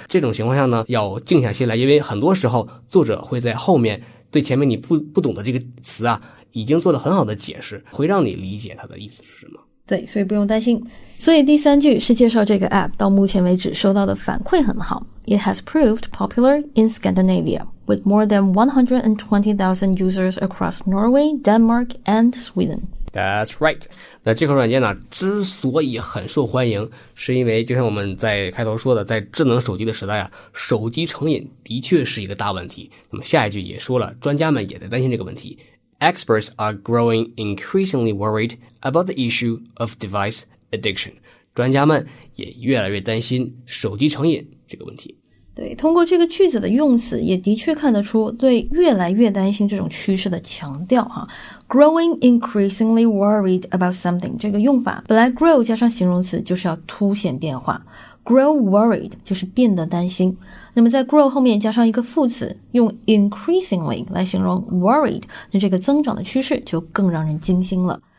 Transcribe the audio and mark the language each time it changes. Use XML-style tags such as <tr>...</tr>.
<zh>这种情况下呢要静下心来因为很多时候作者会在后面对前面你不懂的这个词啊已经做了很好的解释会让你理解它的意思是什么。对所以不用担心。所以第三句是介绍这个 app 到目前为止收到的反馈很好。</zh> <en>It has proved popular in Scandinavia, with more than 120,000 users across Norway, Denmark and Sweden. That's right.</en> <zh>那这款软件呢之所以很受欢迎是因为就像我们在开头说的在智能手机的时代啊手机成瘾的确是一个大问题。那么下一句也说了专家们也在担心这个问题。</zh> <en>Experts are growing increasingly worried about the issue of device addiction.</en> <zh>专家们也越来越担心手机成瘾这个问题。对通过这个句子的用词也的确看得出对越来越担心这种趋势的强调哈。</zh> <en>Growing increasingly worried about something</en> <zh>这个用法本来 grow 加上形容词就是要凸显变化</zh> <en>grow worried</en> <zh>就是变得担心那么在 grow 后面加上一个副词用 increasingly 来形容 worried 那这个增长的趋势就更让人惊心了</zh>